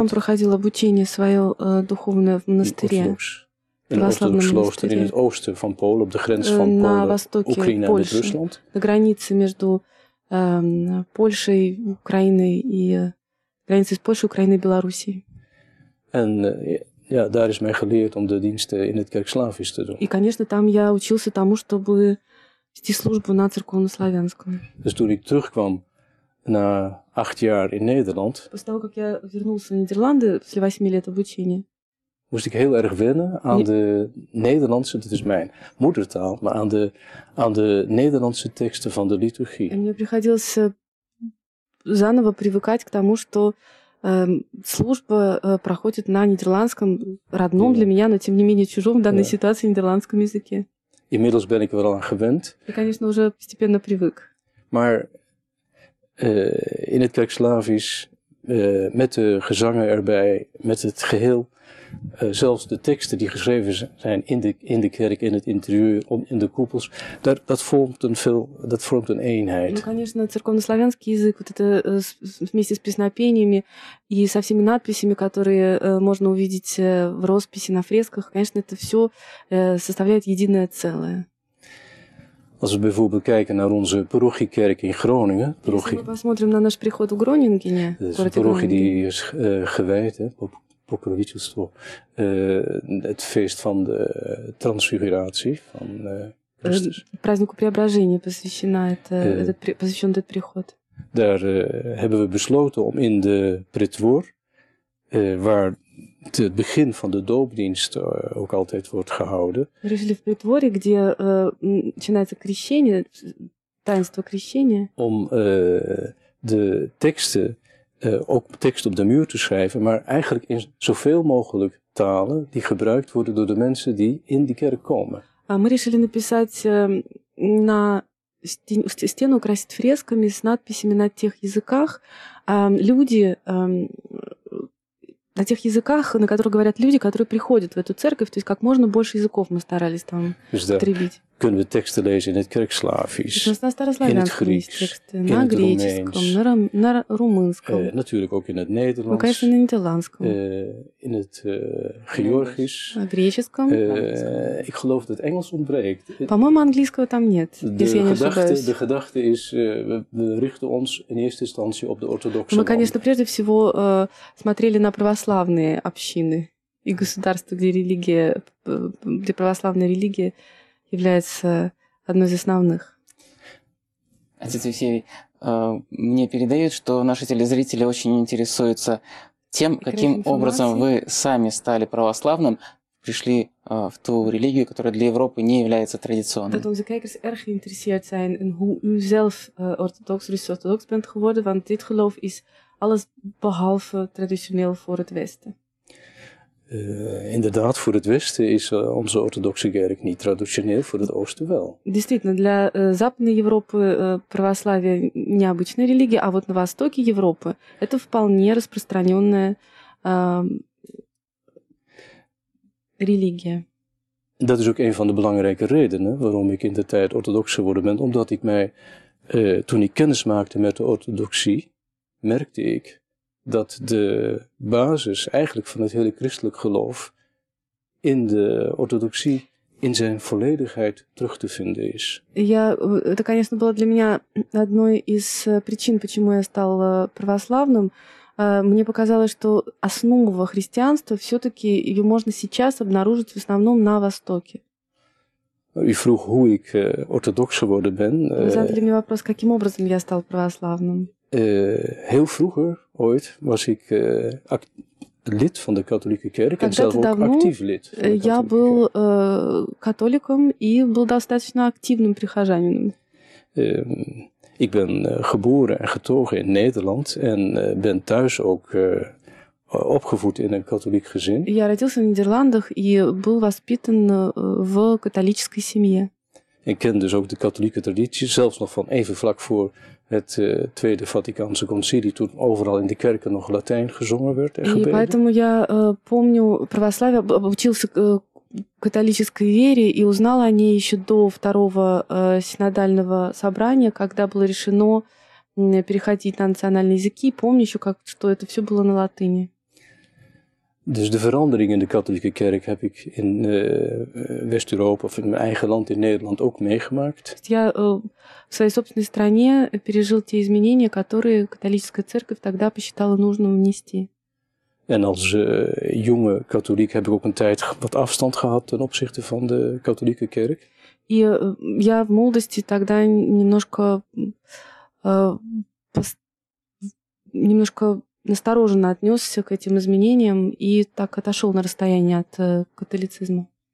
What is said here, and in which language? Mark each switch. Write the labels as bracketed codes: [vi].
[ru] Я сам проходил обучение свое духовное в монастыре. [nl] In een orthodox klooster in het oosten van Polen, op de grens van Polen, [ru] на востоке Украины и Русланд. На границе между Польшей, Украиной и границей с Польшей, Украиной и Белоруссией. [nl] En ja, daar is mij geleerd om de diensten in het kerkslavisch te doen. [ru] И, конечно, там я учился тому, чтобы вести службу на церковнославянском. [nl] Dus toen ik terugkwam na 8 jaar in Nederland. [ru] После того, как я вернулся в Нидерланды после 8 лет обучения. [nl] Moest ik heel erg wennen aan de Nederlandse, dat is mijn moedertaal, maar aan de Nederlandse teksten van de liturgie. [ru] En мне приходилось заново привыкать к тому, что служба проходит на нидерландском, родном для меня, но тем не менее чужом в данной ситуации нидерландском языке. [nl] Inmiddels ben ik er wel aan gewend. [ru] Я, конечно, уже постепенно привык. [nl] Maar in het kerkslavisch, met de gezangen erbij, met het geheel, zelfs de teksten die geschreven zijn in de kerk, in het interieur, in de koepels, dat vormt een eenheid. [ru] Ну, конечно, церковнославянский язык, вот это вместе с песнопениями и со всеми надписями, которые можно увидеть в росписи, на фресках, конечно, это все составляет единое целое. [nl] Als we bijvoorbeeld kijken naar onze parochiekerk in Groningen. [ru] Если мы посмотрим на наш приход в Гронингене, [nl] parochie die is gewijd, hè, Покровительство, het feest van de transfiguratie van Christus. [ru] Празднику преображения посвящена посвящен этот приход. [nl] Daar hebben we besloten om in de pretoor, waar het begin van de doopdienst ook altijd wordt gehouden. [ru] Решили в притворе, где начинается крещение, таинство крещения. [nl] Om de teksten, ook tekst op de muur te schrijven, maar eigenlijk in zoveel mogelijk talen die gebruikt worden door de mensen die in die kerk komen. [ru] Мы решили написать на стену украсить фресками с надписями на тех языках люди. На тех языках, на которых говорят люди, которые приходят в эту церковь, то есть как можно больше языков мы старались там употребить. [nl] Dus kunnen we teksten lezen in het kerkslavisch, in het Grieks, in het Romeins, [ru] на румынском. [nl] Natuurlijk ook in het Nederlands. [ru] Ну, конечно, на нидерландском. [nl] In het Georgisch. [ru] На греческом. [nl] Ik geloof dat Engels ontbreekt. [ru] По-моему, английского там нет. [nl] De gedachte is, we richten ons in eerste instantie op de orthodoxe. [ru] Мы, конечно, прежде всего смотрели на православные общины и государства, где религия, где православная религия является одной из основных. Отец Евсевий, мне передают, что наши телезрители очень интересуются тем, каким образом вы сами стали православным, пришли в ту религию, которая для Европы не является традиционной. [nl] Dat onze kijkers erg geïnteresseerd zijn in hoe u zelf orthodox, Russisch orthodox bent geworden, want dit geloof is alles behalve traditioneel voor het Westen. Inderdaad, voor het Westen is onze orthodoxe kerk niet traditioneel, voor het Oosten wel. [ru] Действительно, для Западной Европы православие необычная религия, а вот на востоке Европы это вполне распространенная религия. [nl] Dat is ook een van de belangrijke redenen waarom ik in de tijd orthodox geworden ben, omdat ik mij toen ik kennis maakte met de orthodoxie merkte ik dat de basis eigenlijk van het hele christelijk geloof in de orthodoxie in zijn volledigheid terug te vinden is. [ru] Ja, это, конечно, было для меня одной из причин, почему я стал православным. Мне показалось, что основа христианства все-таки ее можно сейчас обнаружить в основном на Востоке. [nl] U vroeg hoe ik orthodox geworden ben. [ru] Вы задали мне вопрос, каким образом я стал православным. [nl] Heel vroeger, ooit, was ik lid van de katholieke kerk en zelf ook actief lid. [ru] Я был католиком и был достаточно активным прихожанином. [nl] Ik ben geboren en getogen in Nederland en ben thuis ook opgevoed in een katholiek gezin. [ru] Я родился в Нидерландах и был воспитан в католической семье. [nl] Ik ken dus ook de katholieke traditie, zelfs nog van even vlak voor het Tweede Vaticaanse Concilie, toen overal in de kerken nog Latijn gezongen werd en gebeden. [ru] И поэтому я помню православие, обучился католической вере и узнал о ней еще до второго синодального собрания, когда было решено переходить на национальные языки. Помню еще, как, что это все было на латыни. [nl] Dus de verandering in de katholieke kerk heb ik in West-Europa of in mijn eigen land in Nederland ook meegemaakt. [ru] Я в своей собственной стране пережил те изменения, которые католическая церковь тогда посчитала нужным внести. [nl] En als jonge katholiek heb ik ook een tijd wat afstand gehad ten opzichte van de katholieke kerk. [ru] И я в молодости тогда немножко немножко настороженно отнесся к этим изменениям и так отошел на расстояние от католицизма.